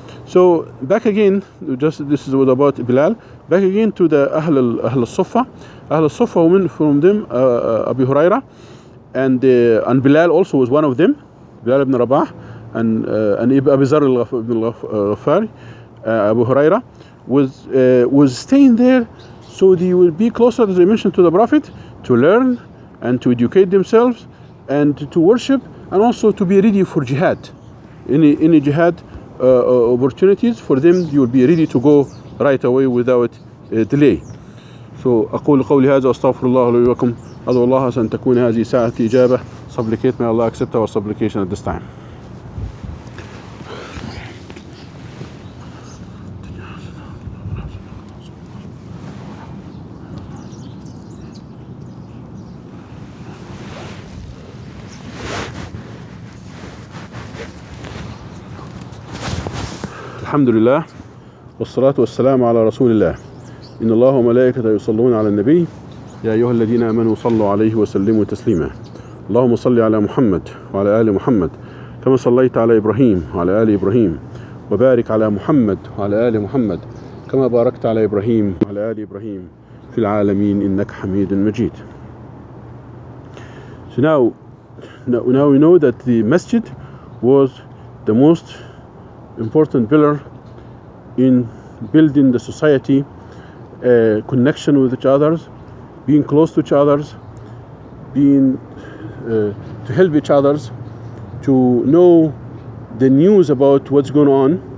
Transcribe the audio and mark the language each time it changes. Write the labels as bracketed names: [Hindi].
[English] So back again, just this was about Bilal. Back again to the Ahl al-Suffa, women from them, Abu Huraira, and Bilal also was one of them, Bilal ibn Rabah, and Abu Zar ibn al-Ghaffari, Abu Huraira, was staying there, so they would be closer, as I mentioned, to the Prophet, to learn and to educate themselves, and to worship, and also to be ready for jihad. Any jihad opportunities for them, you will be ready to go right away without delay. [Arabic] So أقول قولي هذا وأستغفر الله لي ولكم. أدعو الله أن تكون هذه ساعة إجابة. [English] Supplicate, may Allah accept our supplication at this time. [Arabic] الحمد لله والصلاة والسلام على رسول الله. إن الله وملائكته يصلون على النبي. يا أيها الذين آمنوا صلوا عليه وسلموا تسليما. اللهم صل على محمد وعلى آل محمد كما صليت على إبراهيم وعلى آل إبراهيم، وبارك على محمد وعلى آل محمد كما باركت على إبراهيم وعلى آل إبراهيم في العالمين، إنك حميد مجيد. [English] So now we know that the masjid was the most important pillar in building the society, connection with each other, being close to each other, being to help each other, to know the news about what's going on.